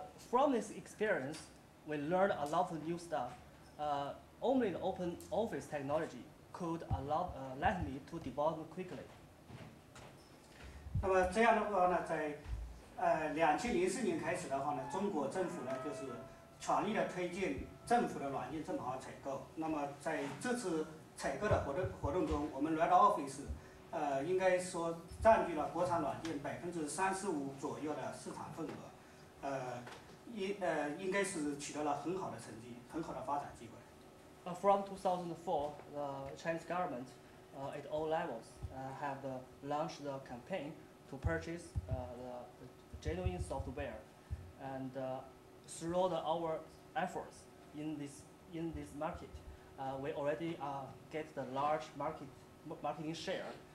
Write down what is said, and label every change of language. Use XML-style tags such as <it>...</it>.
<en>From this experience, we learned a lot of new stuff. Only the open office technology could allow let me to develop quickly.</en> <zh>那么这样的话呢，在2004年开始的话呢，中国政府呢就是全力的推进政府的软件正版化采购。那么在这次采购的活动中，我们Red Office 应该说占据了国产软件35%左右的市场份额，应该是取得了很好的成绩，很好的发展机会。</zh> <en>From 2004, the Chinese government at all levels have launched the campaign to purchase the genuine software. And through our efforts in this market, we already get the large marketing share.</en>